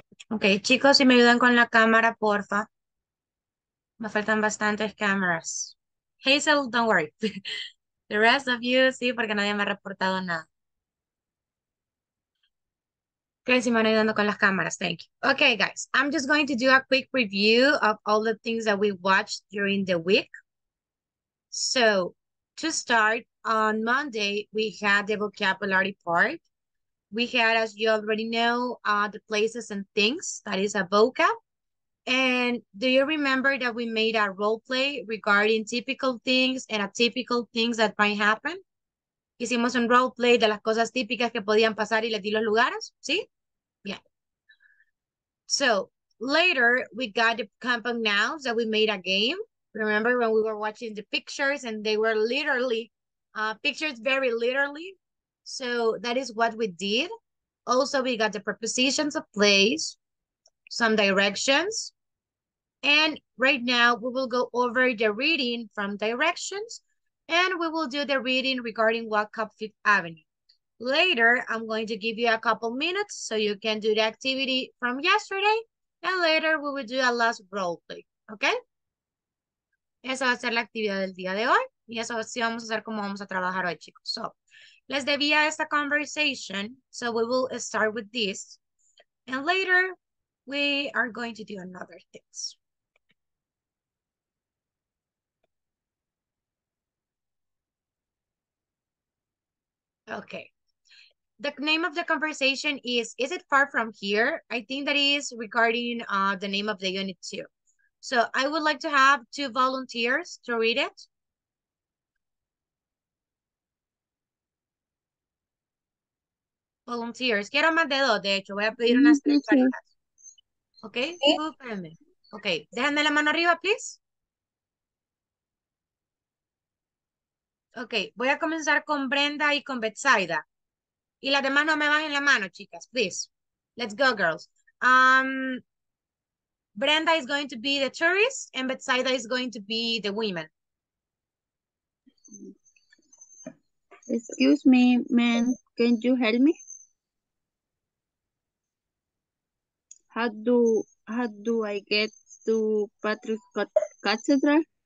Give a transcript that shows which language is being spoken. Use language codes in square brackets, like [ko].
[es] Okay, chicos, si me ayudan con la cámara, porfa. Me faltan bastantes cámaras. Hazel, [en] don't worry. The rest of you, [es] sí, porque nadie me ha reportado nada. Creen si me van ayudando con las cámaras. [en] Thank you. Okay, guys, I'm just going to do a quick review of all the things that we watched during the week. So, to start, on Monday, we had the vocabulary part. We had, as you already know, the places and things, that is a vocab. And do you remember that we made a role play regarding typical things and atypical things that might happen? [es] Hicimos un role play de las cosas típicas que podían pasar y les di los lugares, ¿sí? [en] So, later, we got the compound nouns that we made a game. Remember when we were watching the pictures and they were literally pictures very literally. So that is what we did. Also, we got the prepositions of place, some directions. And right now we will go over the reading from directions and we will do the reading regarding Whatcom Fifth Avenue. Later, I'm going to give you a couple minutes so you can do the activity from yesterday. And later we will do a last role play, okay? [es] Esa va a ser la actividad del día de hoy y eso sí vamos a hacer cómo vamos a trabajar hoy, chicos. [en] So, [es] les debía esta [en] conversation, so we will start with this. And later, we are going to do another things. Okay. The name of the conversation is it far from here? I think that is regarding the name of the unit two. So I would like to have two volunteers to read it. Volunteers. [es] Quiero más de dos, de hecho. Voy a pedir unas tres parejas. Ok, discúlpenme. Ok, déjenme la mano arriba, please. Ok, voy a comenzar con Brenda y con Betsaida. Y las demás no me bajen la mano, chicas, please. [en] Let's go, girls. Brenda is going to be the tourist and Betsaida is going to be the women. Excuse me, ma'am, can you help me? How do I get to Patrick Cathedral?